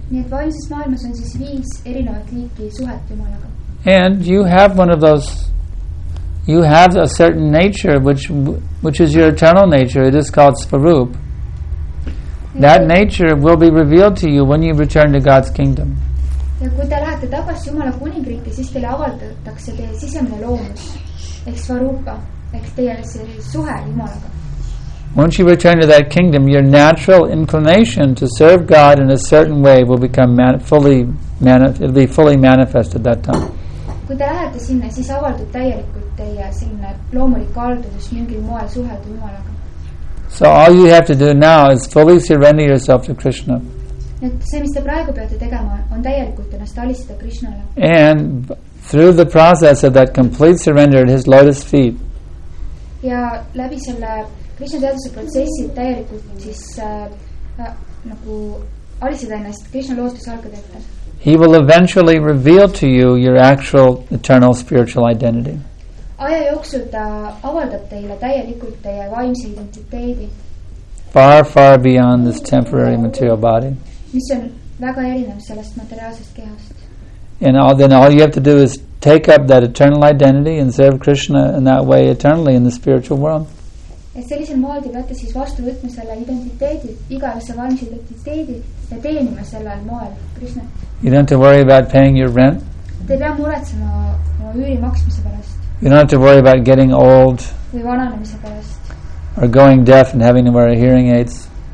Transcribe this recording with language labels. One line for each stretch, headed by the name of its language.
English: And you have one of those. You have a certain nature, which is your eternal nature. It is called Svarup. That nature will be revealed to you when you return to God's kingdom.
Estonian: Ja kui te lähete tagasi Jumala kuningriiki, siis teile avaldatakse teie sisemine loomus, ehk Svarupa, ehk teie see suhe Jumalaga.
English: Once you return to that kingdom, your natural inclination to serve God in a certain way will become it'll be fully manifested that time.
Estonian: Kui te lähete sinna, siis avaldub täielikult teie selline loomulik kaldudus mingil moel suhelda Jumalaga.
English: So all you have to do now is fully surrender yourself to Krishna.
Estonian: See, mis te praegu peate tegema, on täielikult ennast alistada Krishnale.
English: And through the process of that complete surrender at his lotus feet.
Estonian: Ja läbi selle Krishna teaduse protsessi täielikult siis nagu alistada ennast Krishna lotus jalgadele.
English: He will eventually reveal to you your actual eternal spiritual identity.
Estonian: Aja jooksul ta avaldab teile täielikult teie vaimse identiteedi.
English: Far, far beyond this temporary material body.
Estonian: Mis on väga erinev sellest materiaalsest kehast.
English: And then all you have to do is take up that eternal identity and serve Krishna in that way eternally in the spiritual world.
Estonian: Et sellisel moel te peate siis vastu võtma selle identiteedi, igavese vaimse identiteedi ja teenima sellel moel Krishna.
English: You don't have to worry about paying your rent.
Estonian: Te ei pea muretsema oma üüri maksmise pärast.
English: You don't have to worry about getting old or going deaf and having to wear hearing aids.